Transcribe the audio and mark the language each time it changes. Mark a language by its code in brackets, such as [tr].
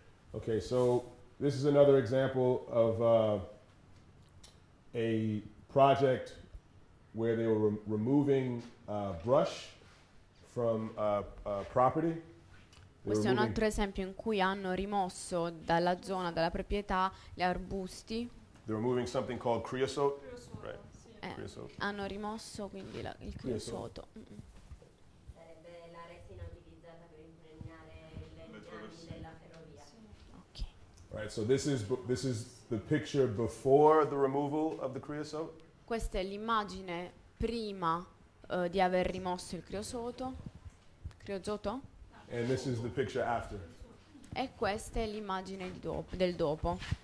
[en] Okay, so this is another example of a project where they were removing brush from a property. [it] Questo è un altro esempio in cui hanno rimosso dalla zona, dalla proprietà, gli arbusti. [en] They're removing something called creosote. Creosote. Right. Creosote. [it] Hanno rimosso quindi il creosoto. Sarebbe la resina utilizzata per impregnare il legname della ferrovia. [en] Okay. Right, so this is the picture before the removal of the creosote. [it] Questa è l'immagine prima di aver rimosso il creosoto. Creosoto? [en] And this is the picture after. [it] E questa è l'immagine di dopo, del dopo.